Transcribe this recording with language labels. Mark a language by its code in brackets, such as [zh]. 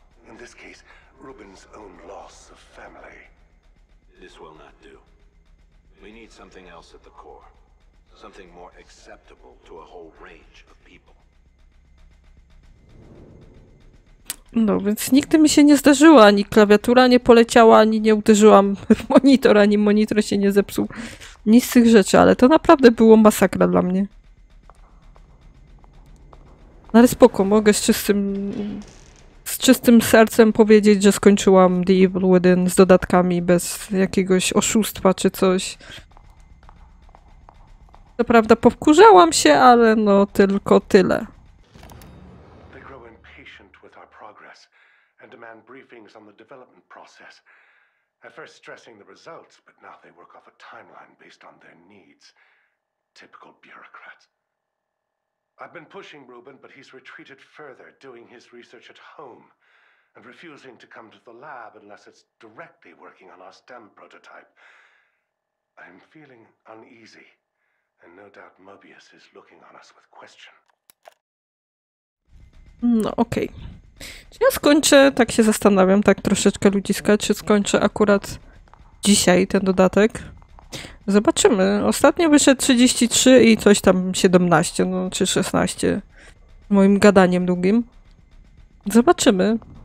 [en] In this case, Ruben's own loss of family. This will not do. We need something else at the core. Something more acceptable to a whole range of people. [pl] No, więc nigdy mi się nie zdarzyło, ani klawiatura nie poleciała, ani nie uderzyłam w monitor, ani monitor się nie zepsuł. Nic z tych rzeczy, ale to naprawdę było masakra dla mnie. Ale spoko, mogę z czystym sercem powiedzieć, że skończyłam The Evil Within z dodatkami, bez jakiegoś oszustwa czy coś. Co prawda powkurzałam się, ale no tylko tyle. [en] They grow impatient with our progress and demand briefings on the development process. At first stressing the results, but now they work off a timeline based on their needs. Typical bureaucrats. I've been pushing Ruben, but he's retreated further, doing his research at home and refusing to come to the lab unless it's directly working on our STEM prototype. I'm feeling uneasy, and no doubt Mobius is looking on us with question. [pl] No, okej. Czy ja skończę, tak się zastanawiam, tak troszeczkę ludziska, czy skończę akurat dzisiaj ten dodatek? Zobaczymy. Ostatnio wyszedł 33 i coś tam 17, no czy 16. Z moim gadaniem długim. Zobaczymy.